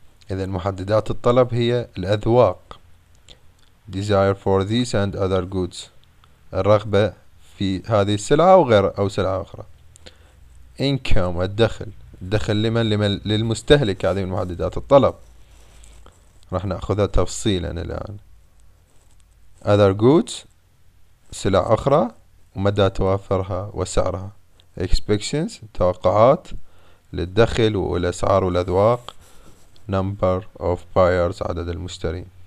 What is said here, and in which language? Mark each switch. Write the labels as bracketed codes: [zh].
[ar] إذن محددات الطلب هي الأذواق. [en] Desire for these and other goods. [ar] الرغبة في هذه السلعة أو سلعة أخرى. Income الدخل، الدخل لمن للمستهلك. هذه من محددات الطلب، راح نأخذها تفصيلا الآن. Other goods سلع أخرى ومدى توافرها وسعرها. Expectations توقعات للدخل والأسعار والأذواق. [en] Number of buyers عدد المشترين.